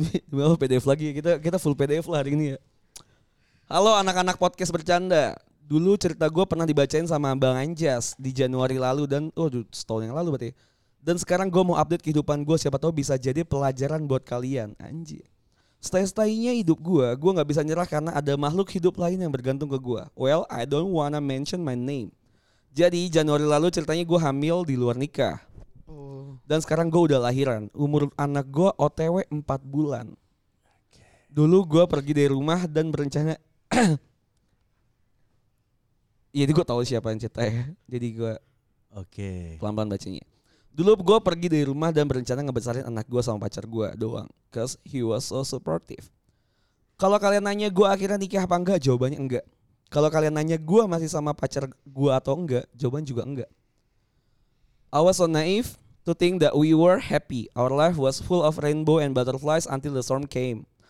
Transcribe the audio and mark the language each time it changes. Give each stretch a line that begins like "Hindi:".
Indonesian: Demi Allah PDF lagi. Kita full PDF lah hari ini ya. Halo anak-anak podcast bercanda. Dulu cerita gue pernah dibacain sama Bang Anjas di Januari lalu dan setahun yang lalu berarti. Dan sekarang gue mau update kehidupan gue, siapa tahu bisa jadi pelajaran buat kalian. Anjir. Setai-setainya hidup gue enggak bisa nyerah karena ada makhluk hidup lain yang bergantung ke gue.
English: Well, I don't wanna mention my name.
Indonesian: Jadi Januari lalu ceritanya gue hamil di luar nikah. Dan sekarang gue udah lahiran. Umur anak gue otw 4 bulan. Dulu gue pergi dari rumah dan berencana. Ya itu gue tahu siapa yang cerita ya. Jadi gue pelan-pelan bacanya. Dulu gue pergi dari rumah dan berencana ngebesarin anak gue sama pacar gue doang.
English: Cause he was so supportive.
Indonesian: Kalau kalian nanya gue akhirnya nikah apa enggak, jawabannya enggak. Kalau kalian nanya gue masih sama pacar gue atau enggak, jawaban juga enggak.
English: I was so naive to think that we were happy. Our life was full of rainbow and butterflies until the storm came.